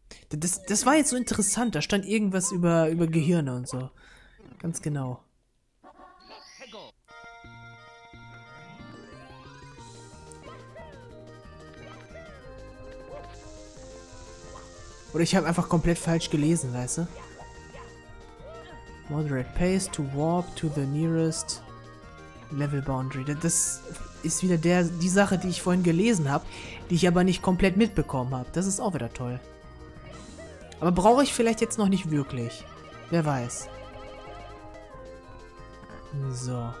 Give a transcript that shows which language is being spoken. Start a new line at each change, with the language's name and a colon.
German: Das war jetzt so interessant. Da stand irgendwas über Gehirne und so. Ganz genau. Oder ich habe einfach komplett falsch gelesen, weißt du?
English: Moderate pace to warp to the nearest level boundary.
German: Das ist wieder die Sache, die ich vorhin gelesen habe, die ich aber nicht komplett mitbekommen habe. Das ist auch wieder toll. Aber brauche ich vielleicht jetzt noch nicht wirklich. Wer weiß. So.